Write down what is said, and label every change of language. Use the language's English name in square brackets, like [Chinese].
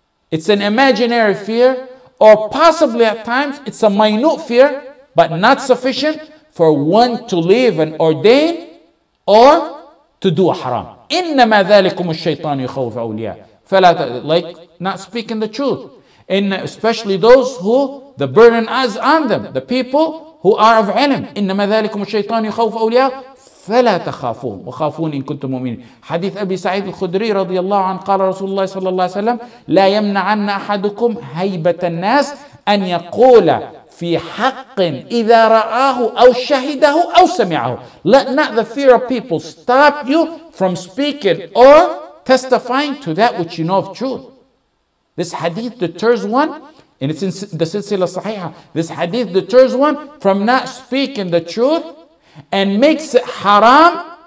[English] It's an imaginary fear, or possibly at times, it's a minute fear, but not sufficient for one to leave an ordain or to do a haram. [Arabic] إنما ذلكم الشيطان يخوف أولياء. [English] Like not speaking the truth. And especially those who the burden is on them, the people who are of علم. [Arabic] إنما ذلكم الشيطان يخوف أولياء فلا تخافون وخافون إن كنتم مؤمنين. حديث أبي سعيد الخدري رضي الله عنه قال رسول الله صلى الله عليه وسلم لا يمنعن أحدكم هيبة الناس أن يقول في حق إذا رآه أو شهده أو سمعه. [English] Let not the fear of people stop you from speaking or testifying to that which you know of truth. This hadith deters one, and it's in the Silsila Sahiha, this hadith deters one from not speaking the truth and makes it haram.